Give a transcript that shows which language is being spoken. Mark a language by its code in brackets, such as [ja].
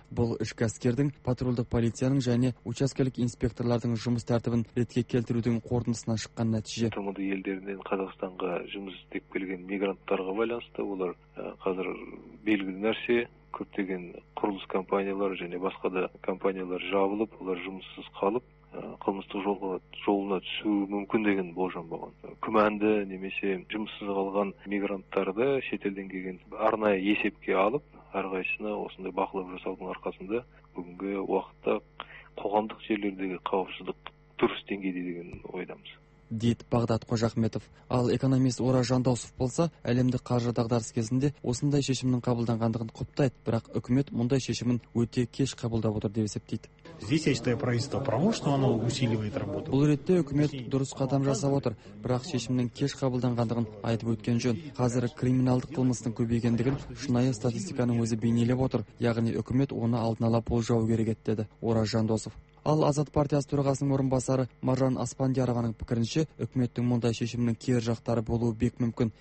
[kk] Бұл ішкі әскердің, патрульдік полицияның және учаскелік инспекторлардың жұмыс тәртібін ретке келтірудің қорытындысынан шыққан нәтиже. ТМД елдерінен Қазақстанға жұмыс істеп келген мигранттарға байланысты, олар қазір белгілі нәрсе, көптеген құрылыс компаниялары және басқа да компаниялар жабылып, олар жұмыссыз қалып, кылмыштык жолуна түшүү мүмкүн деген болжом болгон. Күмәнді немесе жұмыссыз қалған мигранттарды шетелден келген арнайы есепке алып, әрқайсына осындай бақылау жасаудың арқасында бүгінгі уақытта қоғамдық жерлердегі қауіпсіздік дұрыс деңгейде деген ойдамыз. Дейді Бағдат Қожахметов. Ал экономист Ора Жандаусов болса, әлемдік қаржы дағдарыс кезінде осындай шешімнің қабылданғандығын құптайды, бірақ үкімет мұндай шешімін өте кеш қабылдап отыр деп есептейді. [ru] Здесь я считаю правительство право, что оно усиливает работу. [kk] Бұл ретте үкімет дұрыс қадам жасап отыр, бірақ шешімнің кеш қабылданғандығын айтып өткен жөн. Қазір криминалдық қылмыстың көбейгендігін шынайы статистиканың өзі бейнелеп отыр, яғни үкімет оны алдын ала болжау керек деді Ора Жандосов. Ал Азат партиясы төрағасының орынбасары Маржан Аспандиярованың пікірінше, үкіметтің мұндай шешімінің кері жақтары болуы бек мүмкін.